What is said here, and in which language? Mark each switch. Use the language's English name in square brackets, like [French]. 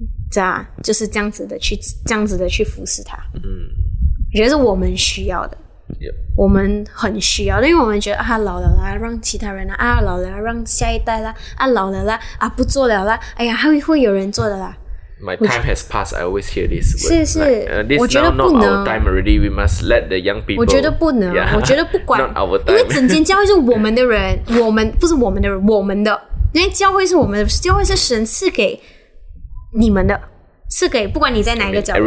[Chinese] 这样就是这样子的去，这样子的去服侍他。嗯。我觉得是我们需要的、 [English] yep. [Chinese] 我们很需要的，因为我们觉得啊老了啦让其他人啦啊老了让下一代啦啊老了啦啊不做了啦哎呀会有人做的啦 [English] My time has passed I always hear this [Chinese] 是是、 [English] like, this now not our time already we must let the young people [Chinese] 我觉得不能、 [English] yeah. [Chinese] 我觉得不管 [English] not our time [Chinese] 因为整间教会是我们的人我们不是我们的人我们的因为教会是我们的教会是神赐给你们的赐给不管你在哪一个角落